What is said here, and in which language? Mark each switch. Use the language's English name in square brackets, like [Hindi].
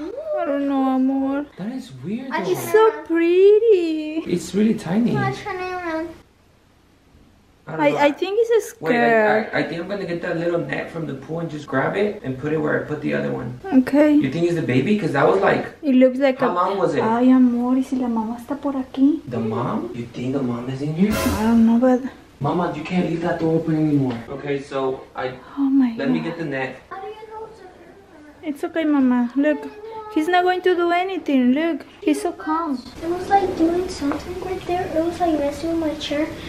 [English] No, I don't know, amor. That is weird though. It's so pretty. It's really tiny. I'm turning around. I think it's a scare. Wait, I think I'm gonna get that little net from the pool and just grab it and put it where I put the other one. Okay. You think it's the baby? Because that was like... It looks like how long was it? [Spanish] Ay, amor, ¿y si la mamá está por aquí? [English] The mom? You think the mom is in here? I don't know, but... Mama, you can't leave that door open anymore. Okay, so I... Oh my God. Let me get the net. It's okay, Mama. Look, he's not going to do anything. Look, he's so calm. It was like doing something right there. It was like messing with my chair.